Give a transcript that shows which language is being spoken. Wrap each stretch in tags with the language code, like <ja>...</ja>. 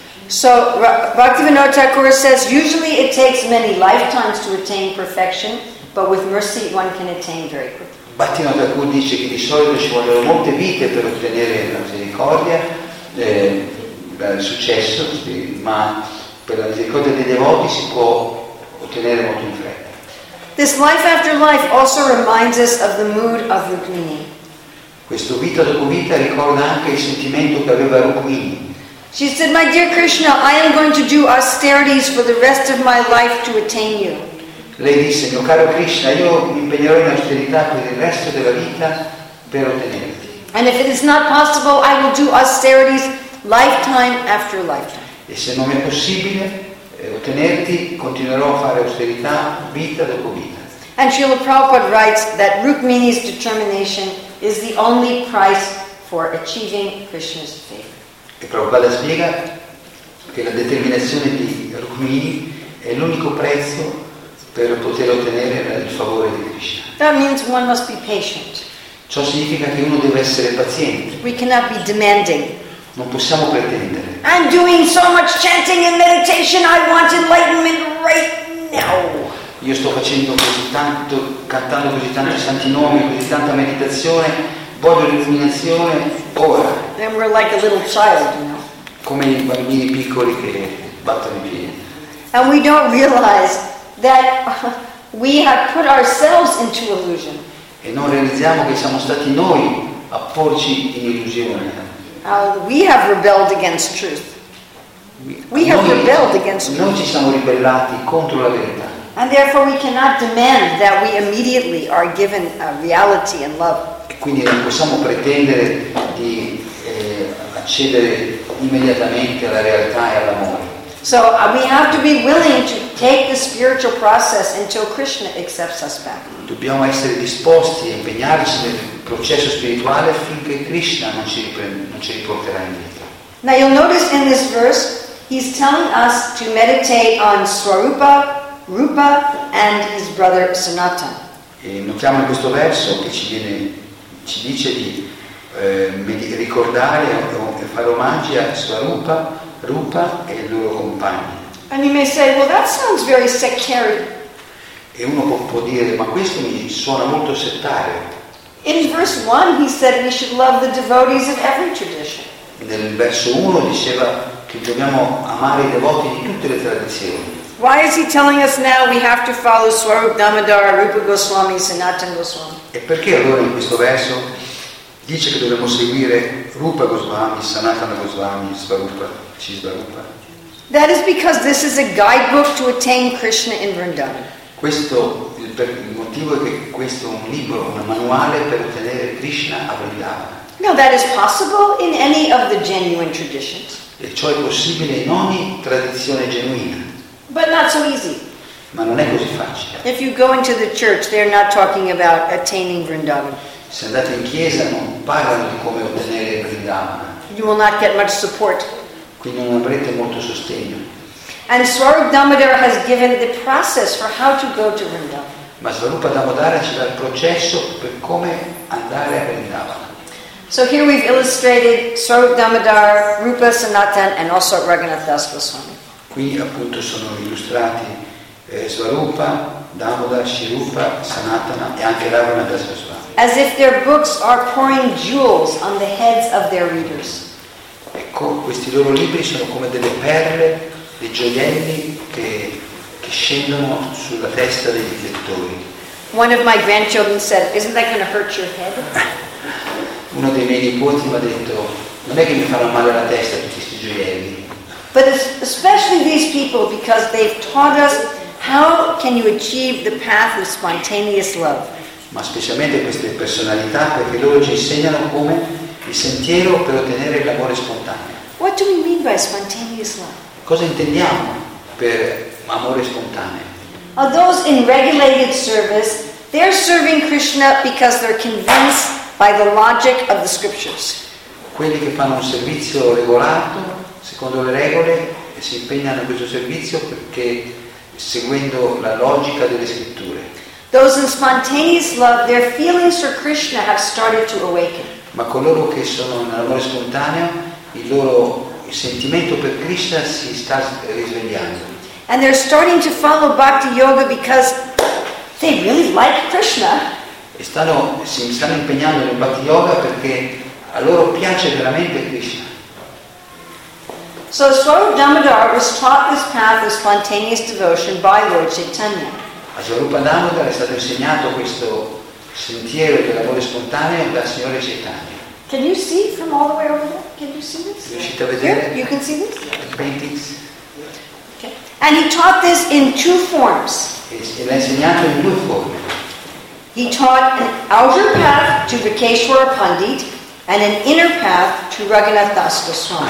<en>So Bhaktivinoda Thakura says usually it takes many lifetimes to attain perfection, but with mercy one can attain very quickly.</en> <it>Bhaktivinoda Thakura dice che di solito ci vogliono molte vite per ottenere la misericordia, il successo, ma per la misericordia dei devoti si può ottenere molto in fretta.</it> <en>This life after life also reminds us of the mood of Rukmini.</en> <it>Questo vita dopo vita ricorda anche il sentimento che aveva Rukmini.</it> <en>She said, "My dear Krishna, I am going to do austerities for the rest of my life to attain you."</en> <it>Lei disse, mio caro Krishna, io mi impegnerò in austerità per il resto della vita per ottenerti.</it> <en>And if it is not possible, I will do austerities lifetime after lifetime.</en> <it>E se non è possibile ottenerti, continuerò a fare austerità vita dopo vita.</it> <en>And Srila Prabhupada writes that Rukmini's determination is the only price for achieving Krishna's favor.</en> <it>E Prabhupada spiega che la determinazione di Rukmini è l'unico prezzo per poter ottenere il favore di Krishna.</it> <en>That means one must be patient.</en> <it>Ciò significa che uno deve essere paziente.</it> <en>We cannot be demanding.</en> <it>Non possiamo pretendere.</it> <en>I'm doing so much chanting and meditation, I want enlightenment right now.</en> <it>Io sto facendo così tanto, cantando così tanti santi nomi, così tanta meditazione, voglio l'illuminazione ora.</it> <en>Then we're like a little child, you know.</en> <it>Come i bambini piccoli che battono i piedi.</it> <en>And we don't realize that we have put ourselves into illusion.</en> <it>E non realizziamo che siamo stati noi a porci in illusione.</it> <en>We have rebelled against truth. We have rebelled against truth.</en> <it>Noi ci siamo ribellati contro la verità.</it> <en>And therefore we cannot demand that we immediately are given a reality and love.</en> <it>Quindi non possiamo pretendere di accedere immediatamente alla realtà e all'amore.</it> <en>So we have to be willing to take the spiritual process until Krishna accepts us back.</en> <it>Dobbiamo essere disposti a impegnarci nel processo spirituale finché Krishna non ci riporterà indietro.</it> <en>Now you'll notice in this verse he's telling us to meditate on Swarupa, Rupa and his brother Sanatana.</en> <it>E notiamo in questo verso che ci dice di ricordare e fare omaggi a Swarupa, Rupa e il loro compagno.</it> <en>And you may say, well, that sounds very sectarian.</en> <it>E uno può dire, ma questo mi suona molto settario.</it> <en>In verse 1 he said we should love the devotees of every tradition.</en> <it>Nel verso 1 diceva che dobbiamo amare i devoti di tutte le tradizioni.</it> <en>Why is he telling us now we have to follow Swarup Damodara, Rupa Goswami, Sanatana Goswami?</en> <it>E perché allora in questo verso dice che dobbiamo seguire Rupa Goswami, Sanatana Goswami, Swarupa, Cisvarupa?</it> <en>That is because this is a guidebook to attain Krishna in Vrindavan.</en> <it>Questo il motivo è che questo è un libro, un manuale per ottenere Krishna a Vrindavan.</it> <en>Now that is possible in any of the genuine traditions.</en> <it>E ciò è possibile in ogni tradizione genuina.</it> <en>But not so easy.</en> <it>Ma non è così facile.</it> <en>If you go into the church, they're not talking about attaining Vrindavan.</en> <it>Se andate in chiesa non parlano di come ottenere Vrindavan.</it> <en>You will not get much support.</en> <it>Quindi non avrete molto sostegno.</it> <en>And Swarup Damodara has given the process for how to go to Vrindavan.</en> <it>Ma Swarupa Damodara ci dà il processo per come andare a Vrindavan.</it> <en>So here we've illustrated Swarup Damodara, Rupa Sanatan, and also Raghunath Das Goswami.</en> <it>Qui appunto sono illustrati Swarupa, Damodara, Shirupa, Sanatana e anche Raghunath Das Goswami.</it> <en>As if their books are pouring jewels on the heads of their readers.</en> <it>Ecco, questi loro libri sono come delle perle, dei gioielli che scendono sulla testa dei lettori.</it> <en>One of my grandchildren said, "Isn't that going to hurt your head?"</en> <it>Uno dei miei nipoti mi ha detto, "Non è che mi farà male la testa tutti questi gioielli."</it> <en>But especially these people, because they've taught us how can you achieve the path of spontaneous love.</en> <it>Ma specialmente queste personalità, perché loro ci insegnano come il sentiero per ottenere l'amore spontaneo.</it> <en>What do we mean by spontaneous love?</en> <it>Cosa intendiamo per amore spontaneo?</it> <en>Those in regulated service, They're serving Krishna because they're convinced by the logic of the scriptures.</en> <it>Quelli che fanno un servizio regolato, secondo le regole, e si impegnano in questo servizio perché seguendo la logica delle scritture.</it> <en>Those in spontaneous love, their feelings for Krishna have started to awaken.</en> <it>Ma coloro che sono in amore spontaneo, il loro sentimento per Krishna si sta risvegliando.</it> <en>And they're starting to follow Bhakti Yoga because they really like Krishna.</en> <it>E stanno, si stanno impegnando nel Bhakti Yoga perché a loro piace veramente Krishna.</it> <en>So Swarup Damodar was taught this path of spontaneous devotion by Lord Chaitanya.</en> <it>A Swarupa Damodar è stato insegnato questo sentiero dell'amore spontaneo dal Signore Chaitanya.</it> <en>Can you see from all the way over there? Can you see this?</en> <it>Riuscite a vedere?</it> <en>Here, you can see this? The paintings. And he taught this in two forms. He taught an outer path to Vikeshwara Pandit and an inner path to Raghunath Das Goswami.</en>